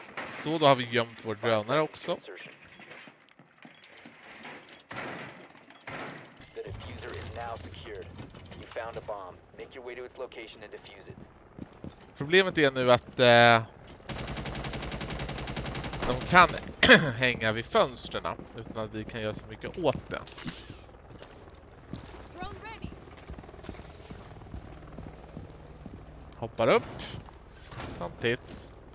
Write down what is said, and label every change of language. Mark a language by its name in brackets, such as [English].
[Swedish] Så då har vi gömt vår drönare också. [English] The diffuser is now secured. You found a bomb. Make your way to its location and defuse it. [Swedish] Problemet är nu att de kan hänga vid fönstren utan att vi kan göra så mycket åt det. [English] Drone ready. [Swedish] Hoppar upp. Samtidigt.